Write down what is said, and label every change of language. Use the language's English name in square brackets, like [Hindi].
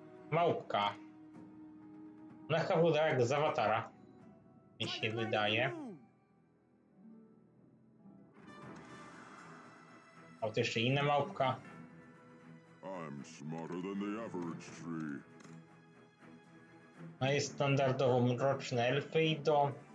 [Polish] Małpka. Ona chyba wygląda jak z Awatara. Mi się wydaje. A to jeszcze inna małpka. [English] I'm smarter than the average tree. [Polish] No jest standardowo mroczne elfy i do.